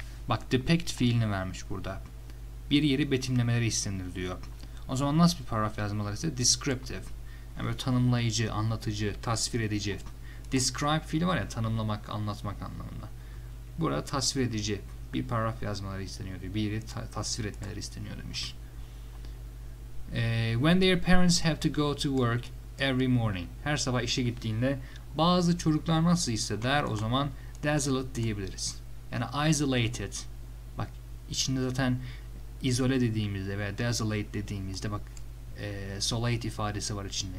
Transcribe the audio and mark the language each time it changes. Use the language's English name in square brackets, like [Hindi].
[Turkish] Bak, depict fiilini vermiş burada. Bir yeri betimlemeleri istenir diyor. O zaman nasıl bir paragraf yazmaları ise descriptive. Yani böyle tanımlayıcı, anlatıcı, tasvir edici. Describe fiili var ya, tanımlamak, anlatmak anlamında. Burada tasvir edici bir paragraf yazmaları isteniyor diyor. Bir yeri tasvir etmeleri isteniyor demiş. [English] When their parents have to go to work every morning. [Turkish] Her sabah işe gittiğinde bazı çocuklar nasıl ise der, o zaman desolate diyebiliriz. Yani isolated. Bak, içinde zaten izole dediğimizde veya desolate dediğimizde bak solate ifadesi var içinde.